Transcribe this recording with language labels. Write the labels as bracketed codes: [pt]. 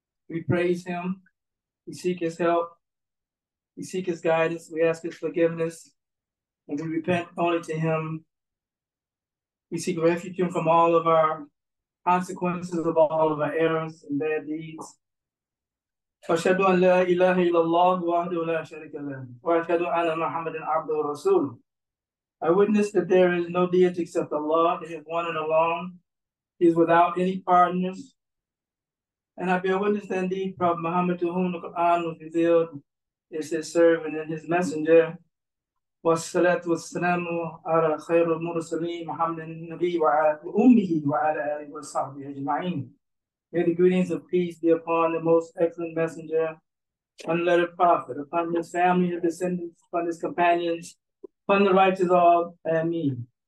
[en] We praise Him. We seek His help. We seek His guidance. We ask His forgiveness. And we repent only to Him. We seek refuge from all of our consequences of all of our errors and bad deeds. [ar] وَأَشْهَدُ أَنْ لَا إِلَهَ إِلَّا اللَّهُ وَحْدَهُ لَا شَرِيكَ لَهُ وَأَشْهَدُ أَنَّ مُحَمَّدًا عَبْدُهُ وَرَسُولُهُ. [en] I witness that there is no deity except Allah. He is one and alone. He is without any partners. And I bear witness that indeed Prophet Muhammad, to whom the Quran was revealed, is his servant and his messenger. [ar] والصلاة والسلام على خير المرسلين محمد النبي وعلى أمه وعلى آله وصحبه أجمعين. [en] May the greetings of peace be upon the most excellent messenger, unlettered prophet, upon his family, his descendants, upon his companions, upon the righteous all. Amen.